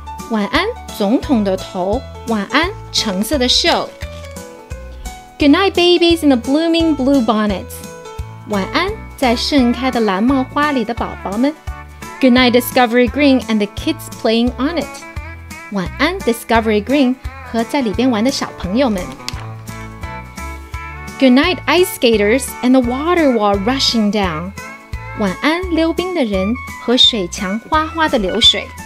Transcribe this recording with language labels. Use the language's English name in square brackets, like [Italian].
[Chinese] 晚安,总统的头,晚安,橙色的秀. [English] Good night, babies in the blooming blue bonnets. [Chinese] 晚安,在盛开的蓝帽花里的宝宝们. [English] Good night, Discovery Green and the kids playing on it. [Chinese] 晚安,Discovery Green和在里边玩的小朋友们. [English] Good night, ice skaters and the water wall rushing down. [Chinese] 晚安,溜冰的人和水墙哗哗的流水.